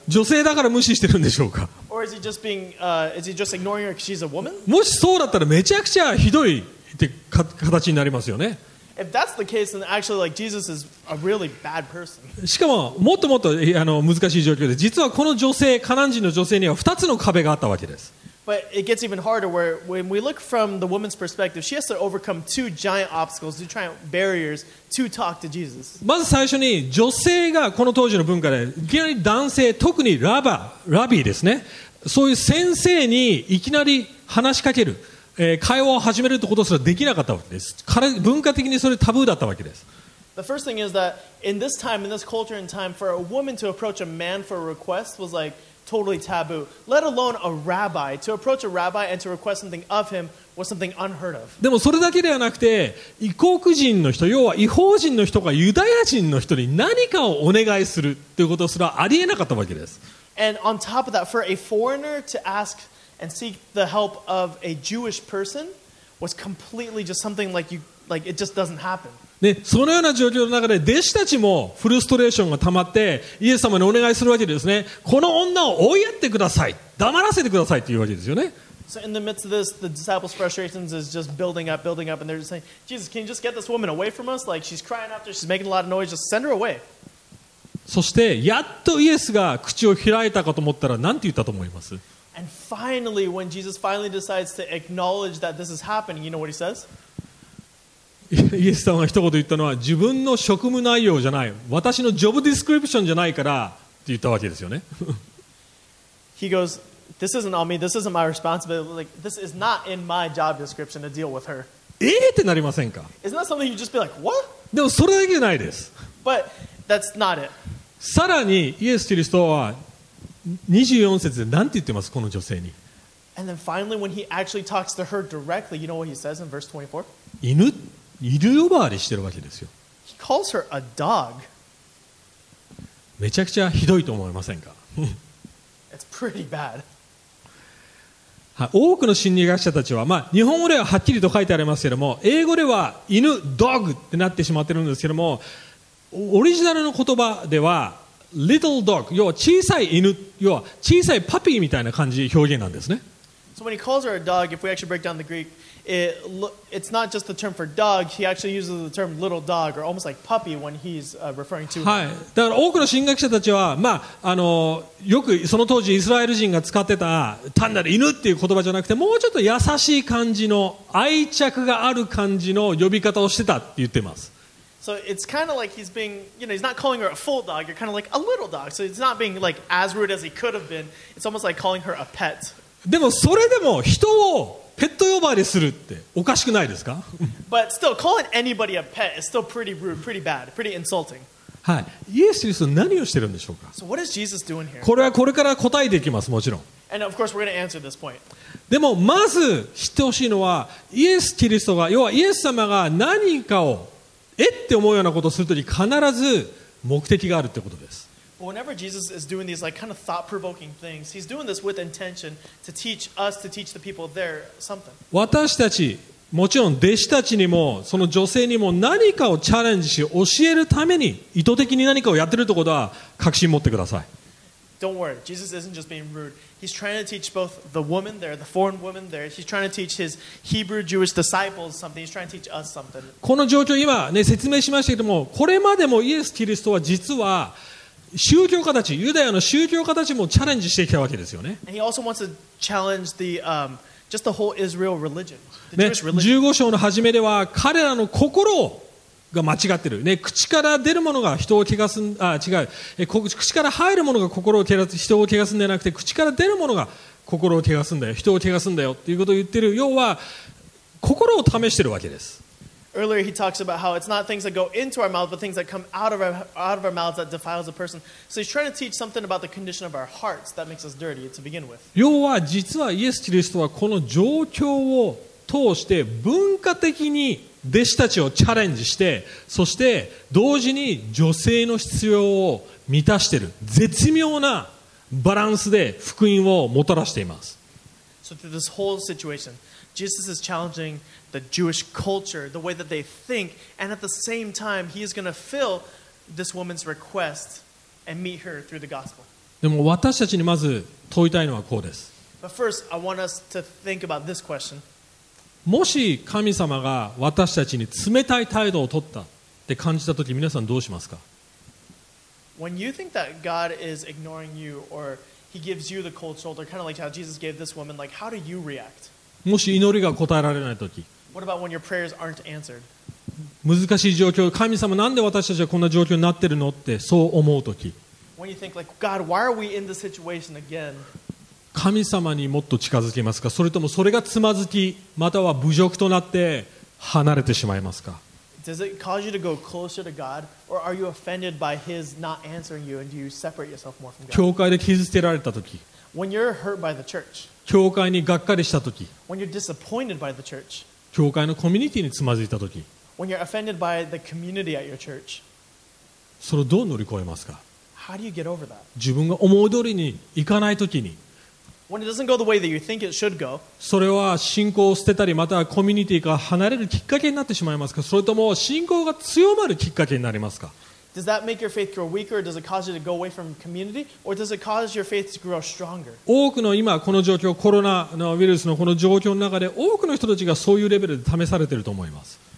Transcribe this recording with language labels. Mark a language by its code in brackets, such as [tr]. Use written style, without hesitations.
[ja] 女性だから無視してるんでしょうか。 [en] Or is he just being, is he just ignoring her because she's a woman? [ja] もしそうだったらめちゃくちゃひどいって形になりますよね。 [en] If that's the case, then actually, like Jesus is a really bad person. [ja] しかももっともっと難しい状況で、実はこの女性、カナン人の女性には2つの壁があったわけです。 [en] But it gets even harder where when we look from the woman's perspective, she has to overcome two giant obstacles, two giant barriers to talk to Jesus. [ja] まず最初に女性がこの当時の文化で、いきなり男性、特にラビーですね、そういう先生にいきなり話しかける。会話を始めるってことすらできなかったわけです。文化的にそれタブーだったわけです。 [en] The first thing is that in this time, in this culture and time, for a woman to approach a man for a request was like totally taboo, let alone a rabbi. To approach a rabbi and to request something of him was something unheard of. [ja] でもそれだけではなくて、異国人の人、要は異邦人の人がユダヤ人の人に何かをお願いするっていうことすらありえなかったわけです。 [en] And on top of that, for a foreigner to ask and seek the help of a Jewish person was completely just something like you, like it just doesn't happen. [ja] ね、そのような状況の中で弟子たちもフルストレーションが溜まってイエス様にお願いするわけですね。この女を追いやってください、黙らせてくださいというわけですよね。 [en] So in the midst of this, the disciples' frustrations is just building up, and they're just saying, Jesus, can you just get this woman away from us? Like, she's crying after, she's making a lot of noise, just send her away. [ja] そしてやっとイエスが口を開いたかと思ったら何て言ったと思います？ [en] And finally, when Jesus finally decides to acknowledge that this is happening, you know what he says? [ja] イエスさんが一言言ったのは、自分の職務内容じゃない、私のジョブディスクリプションじゃないからって言ったわけですよね。 [en] He goes, this isn't on me, this isn't my responsibility, like, this is not in my job description to deal with her. [ja] ってなりませんか？ [en] Isn't that something you just be like, what? [ja] でもそれだけじゃないです。 [en] But that's not it. [ja] さらにイエス・キリストは24節で何て言ってます、この女性に。 [en] And then finally when he actually talks to her directly, you know what he says in verse 24? [ja] 犬犬呼ばわりしてるわけですよ。 [en] He calls her a dog. [ja] めちゃくちゃひどいと思いませんか？ [en] It's pretty bad. [ja] 多くの心理学者たちは、まあ、日本語でははっきりと書いてありますけれども、英語では犬、dog ってなってしまってるんですけれども、オリジナルの言葉では little dog、要は小さい犬、要は小さいパピーみたいな感じ表現なんですね。 [en] So when he calls her a dog, if we actually break down the Greek,It's not just the term for dog. He actually uses the term little dog or almost like puppy when he's referring to. [ja] はい。だから多くの神学者たちは、まあ、よくその当時イスラエル人が使ってた単なる犬っていう言葉じゃなくて、もうちょっと優しい感じの愛着がある感じの呼び方をしてたって言ってます。 [en] So it's kind of like he's being, you know, he's not calling her a full dog. You're kind of like a little dog. So it's not being like as rude as he could have been. It's almost like calling her a pet. [ja] でもそれでも人をペット呼ばわりするっておかしくないですか？ [en] But still, calling anybody a pet is still pretty rude, pretty bad, pretty insulting. [ja] はい。イエス・キリスト何をしてるんでしょうか？ [en] So what is Jesus doing here? [ja] これはこれから答えていきます、もちろん。 [en] And of course, we're going to answer this point. [ja] でもまず知ってほしいのは、イエス・キリストが、要はイエス様が何かをって思うようなことをするとき、必ず目的があるってことです。 [en] Whenever Jesus is doing these like kind of thought-provoking things, he's doing this with intention to teach us, to teach the people there something. [ja] 私たち、もちろん弟子たちにもその女性にも何かをチャレンジし教えるために意図的に何かをやってるってことは確信持ってください。 [en] Don't worry, Jesus isn't just being rude. He's trying to teach both the woman there, the foreign woman there. He's trying to teach his Hebrew Jewish disciples something. He's trying to teach us something. [ja] この状況今ね説明しましたけども、これまでもイエス・キリストは実は宗教家たち、ユダヤの宗教家たちもチャレンジしてきたわけですよね。 [en] And he also wants to challenge the, just the whole Israel religion, the Jewish religion. [ja] ね、15章の初めでは彼らの心が間違ってる。ね、口から出るものが人を汚す、あ、違う。口から入るものが心を汚す、人を汚すんじゃなくて、口から出るものが心を汚すんだよ、人を汚すんだよっていうことを言ってる。要は、心を試してるわけです。 [en] Earlier he talks about how it's not things that go into our mouths but things that come out of our mouths that defiles a person. So he's trying to teach something about the condition of our hearts that makes us dirty to begin with. [ja] 要は実はイエス・キリストはこの状況を通して文化的に弟子たちをチャレンジして、そして同時に女性の必要を満たしている絶妙なバランスで福音をもたらしています。 [en] So through this whole situation, Jesus is challengingthe Jewish culture, the way that they think, and at the same time, he is going to fill this woman's request and meet her through the gospel. [ja] でも私たちにまず問いたいのはこうです。 [en] But first, I want us to think about this question. [ja] もし神様が私たちに冷たい態度を取ったって感じたとき、皆さんどうしますか？ [en] When you think that God is ignoring you or he gives you the cold shoulder, kind of like how Jesus gave this woman, like how do you react? [ja] もし祈りが答えられないとき、 [en] What about when your prayers aren't answered? [ja] 難しい状況、神様なんで私たちはこんな状況になってるのってそう思うとき、 [en] When you think like, God, why are we in this situation again? [ja] 神様にもっと近づきますか、それともそれがつまずき、または侮辱となって離れてしまいますか。 [en] Does it cause you to go closer to God, or are you offended by His not answering you, and do you separate yourself more from God? [ja] 教会で傷つけられた時。 [en] When you're hurt by the church. [ja] 教会にがっかりした時。 [en] When you're disappointed by the church. [ja] 教会のコミュニティにつまずいた時。 [en] When you're offended by the community at your church. [ja] それをどう乗り越えますか? [en] How do you get over that? [ja] 自分が思う通りにいかない時に。 [en] When it doesn't go the way that you think it should go. [ja] それは信仰を捨てたりまたはコミュニティから離れるきっかけになってしまいますか。それとも信仰が強まるきっかけになりますか。 [en] Does that make your faith grow weaker? Does it cause you to go away from community? Or does it cause your faith to grow stronger? [ja] 多くの今この状況、コロナのウイルスのこの状況の中で多くの人たちがそういうレベルで試されていると思います。